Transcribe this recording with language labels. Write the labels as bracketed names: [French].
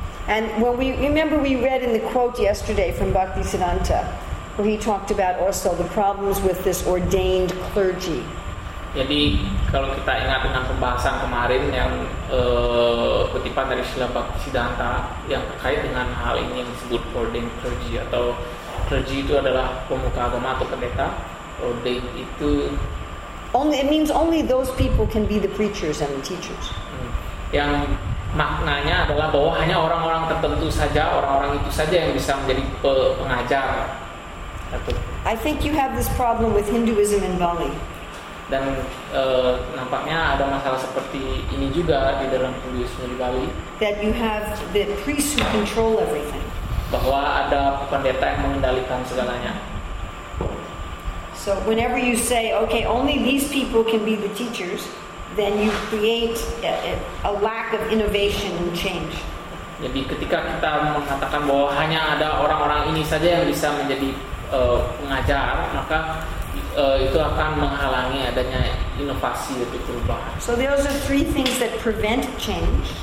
[English] And when we remember, we read in the quote yesterday from Bhaktisiddhanta, where he talked about also the problems with this ordained clergy. [Indonesian] Jadi kalau kita ingat dengan pembahasan kemarin yang kutipan dari Srila Bhaktisiddhanta yang terkait dengan hal ini yang disebut ordained clergy, atau clergy itu adalah pemuka agama atau pendeta, ordained itu [English] only, it means only those people can be the preachers and the teachers. [Indonesian] Yang maknanya adalah bahwa hanya orang-orang tertentu saja, orang-orang itu saja yang bisa menjadi pengajar. [English] I think you have this problem with Hinduism in Bali. [Indonesian] Dan nampaknya ada masalah seperti ini juga di dalam Hinduisme di Bali. [English] That you have the priests who control everything. [Indonesian] Bahwa ada pendeta yang mengendalikan segalanya. [English] So whenever you say, okay, only these people can be the teachers, then you create a lack of innovation and change. [Indonesian] Jadi ketika kita mengatakan bahwa hanya ada orang-orang ini saja yang bisa menjadi pengajar, maka itu akan menghalangi adanya inovasi atau perubahan. [English] So those are three things that prevent change.